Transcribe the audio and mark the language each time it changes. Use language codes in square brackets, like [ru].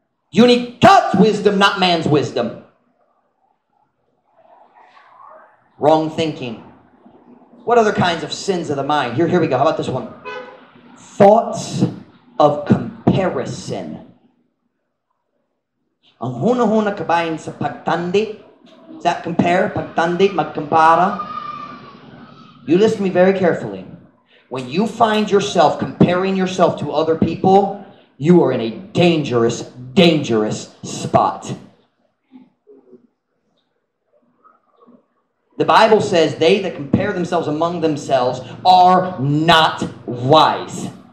[en] You need God's wisdom, not man's wisdom. Wrong thinking. What other kinds of sins of the mind? Here we go. How about this one? Thoughts of comparison. [ceb] Ang hunahuna kabayin sa pagtandi. [en] Does that compare? [ceb] Pagtandi, magkampara? [en] You listen to me very carefully. When you find yourself comparing yourself to other people, you are in a dangerous, dangerous spot. The Bible says they that compare themselves among themselves are not wise.